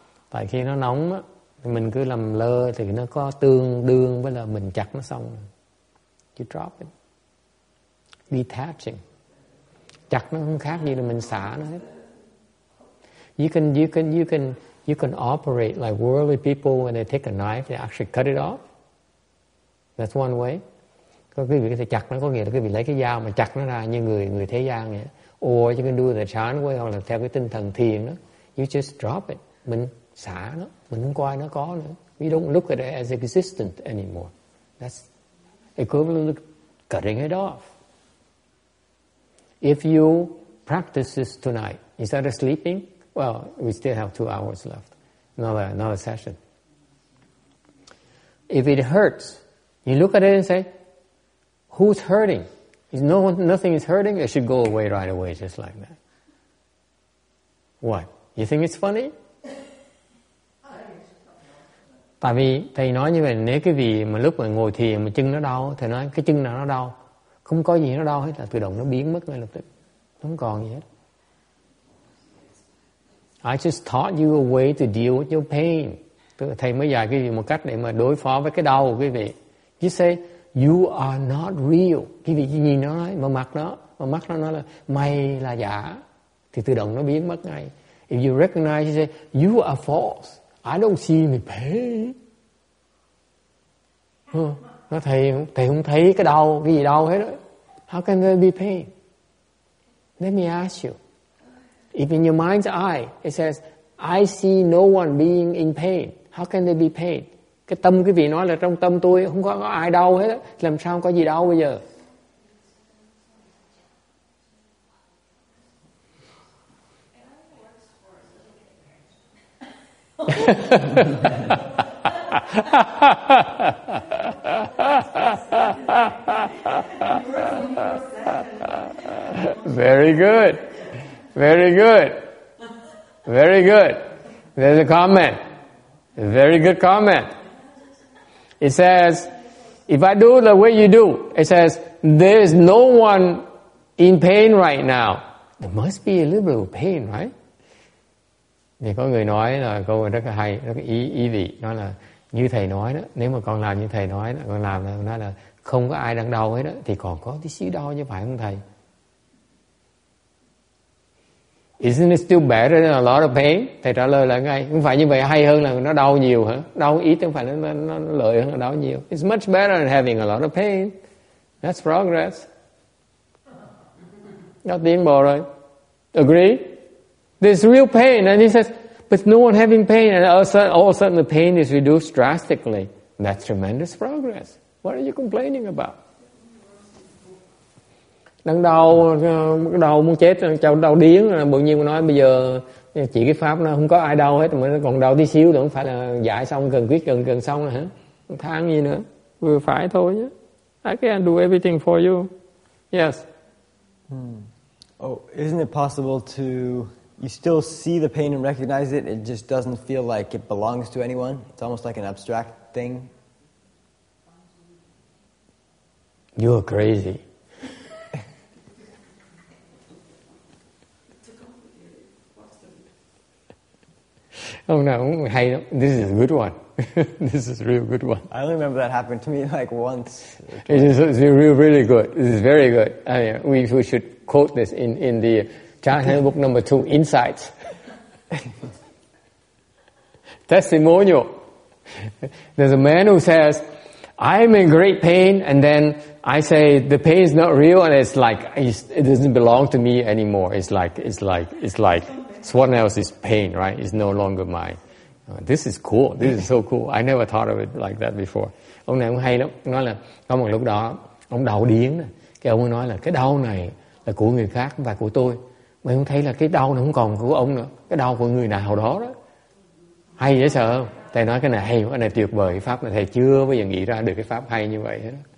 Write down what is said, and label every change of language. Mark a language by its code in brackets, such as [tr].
[vi] Tại khi nó nóng á, thì mình cứ làm lơ thì nó có tương đương với là mình chặt nó xong. [en] You drop it. Detaching. [vi] Chặt nó không khác gì là mình xả nó hết. [en] You can operate like worldly people when they take a knife, they actually cut it off. That's one way. [vi] Quý vị có thể chặt nó, có nghĩa là quý vị lấy cái dao mà chặt nó ra như người thế gian vậy. [en] Or you can do the chán way, [vi] hoặc là theo cái tinh thần thiền đó. [en] You just drop it. [vi] Mình xả nó, mình không coi nó có nữa. [en] We don't look at it as existent anymore. That's equivalent to cutting it off. If you practice this tonight, instead of sleeping, well, we still have 2 hours left. Another session. If it hurts, you look at it and say, who's hurting? If no one, nothing is hurting, it should go away right away, just like that. What? You think it's funny? [vi] Tại vì thầy nói như vậy, nếu cái gì mà lúc mà ngồi thiền mà chân nó đau, thầy nói cái chân nào nó đau, không có gì nó đo hết, là tự động nó biến mất ngay lập tức, không còn gì hết. [en] I just taught you a way to deal with your pain. [vi] Thầy mới dạy cái gì một cách để mà đối phó với cái đau của quý vị. [en] You say you are not real. [vi] Quý vị chỉ nhìn nó ấy, vào mặt nó, vào mắt nó nói là mày là giả, thì tự động nó biến mất ngay. [en] If you recognize, you say you are false. I don't see any pain. [vi] Nó thầy không thấy cái đau cái gì đau hết đấy. [en] How can there be pain? Let me ask you. If in your mind's eye, it says, I see no one being in pain. How can there be pain? [vi] Cái tâm quý vị nói là trong tâm tôi không có ai đau hết. Làm sao có gì đau bây giờ? [en] Very good. Very good. Very good. There's a comment. A very good comment. It says, if I do the way you do, it says, there's no one in pain right now. There must be a little bit of pain, right? [vi] Thì có người nói là câu rất là hay, rất là ý vị. Nó là như thầy nói đó, nếu mà con làm như thầy nói đó, con làm nó là không có ai đang đau hết đó, thì còn có tí xíu đau chứ phải không thầy? [en] Isn't it still better than a lot of pain? [vi] Thầy trả lời là ngay, không phải như vậy hay hơn là nó đau nhiều hả? Đau ít không phải nó lợi hơn là đau nhiều. [en] It's much better than having a lot of pain. That's progress. [vi] Nó tiến bộ rồi. [en] Agree? There's real pain. And he says, but no one having pain. And all of a sudden the pain is reduced drastically. That's tremendous progress. What are you complaining about? [vi] Đang đau muốn chết, cháu đau điếng, bỗng nhiên nói bây giờ chỉ cái pháp nó không có ai đau hết, mà nó còn đau tí xíu nữa, không phải là giải xong, cần quyết cần xong rồi hả? Than gì nữa, vừa phải thôi nhé. [en] I can do everything for you. Yes. Oh, isn't it possible to, you still see the pain and recognize it, it just doesn't feel like it belongs to anyone? It's almost like an abstract thing. You're crazy. Oh no, hey, this is a good one. This is a real good one. I only remember that happened to me like once. It's really, really good. This is very good. I mean, we should quote this in the Chan Handbook number 2, Insights. Testimonial. There's a man who says, I'm in great pain, and then I say, the pain is not real, and it's like, it doesn't belong to me anymore. It's like, someone else's pain, right? It's no longer mine. This is cool. This is so cool. I never thought of it like that before. [vi] Ông này ông hay lắm. Nói là có một lúc đó ông đau điên. Cái ông ấy nói là cái đau này là của người khác, không phải của tôi. Mà ông thấy là cái đau này không còn của ông nữa. Cái đau của người nào đó đó. Hay dễ sợ không? Thầy nói cái này hay, cái này tuyệt vời. Cái pháp này thầy chưa bao giờ nghĩ ra được cái pháp hay như vậy hết.